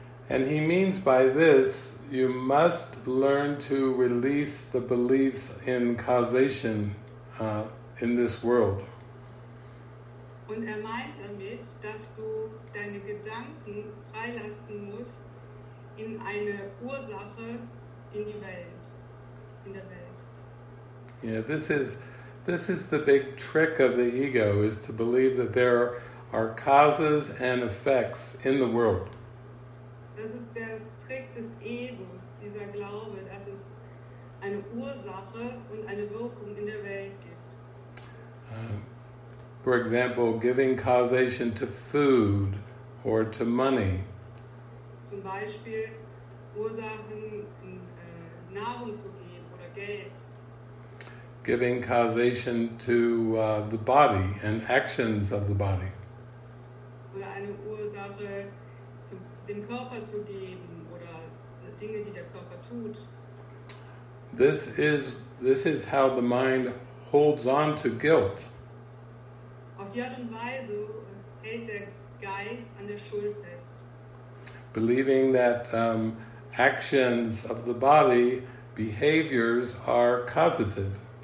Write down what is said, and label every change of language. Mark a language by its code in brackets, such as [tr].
[en] And he means by this, you must learn to release the beliefs in causation in this world. [de] Und meint damit, dass du deine Gedanken freilassen musst in eine Ursache in die Welt, in der Welt. [en] Yeah, this is the big trick of the ego, is to believe that there are causes and effects in the world. [de] Das ist der Trick des Egos, dieser Glaube, dass es eine Ursache und eine Wirkung in der Welt gibt. [en] For example, giving causation to food or to money. [de] Zum Beispiel Ursachen in Nahrung zu geben oder Geld. [en] Giving causation to the body and actions of the body. [de] Oder eine Ursache dem Körper zu geben oder Dinge, die der Körper tut. [en] This is how the mind holds on to guilt. [de] Auf die Art und Weise hält der Geist an der Schuld fest. [en] Believing that actions of the body, behaviors, are causative.